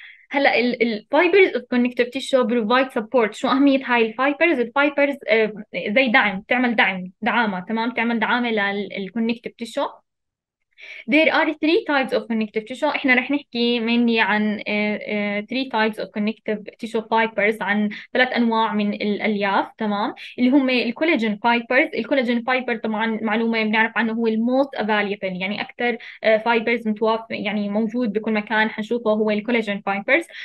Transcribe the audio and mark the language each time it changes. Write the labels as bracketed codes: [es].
[en] هلا ال fibers of connective tissue provide support. [ar] شو اهميه هاي الفايبرز؟ الفايبرز زي دعم، تعمل دعم، دعامه، تمام، تعمل دعامه لل connective tissue. [en] There are three types of connective tissue. [ar] إحنا رح نحكي مني عن [en] three types of connective tissue fibers، [ar] عن ثلاث أنواع من الألياف، تمام، اللي هم ال collagen fibers. ال collagen fiber طبعا معلومة بنعرف عنه، هو ال most available، يعني أكثر fibers متوافر، يعني موجود بكل مكان حنشوفه، هو ال collagen fibers.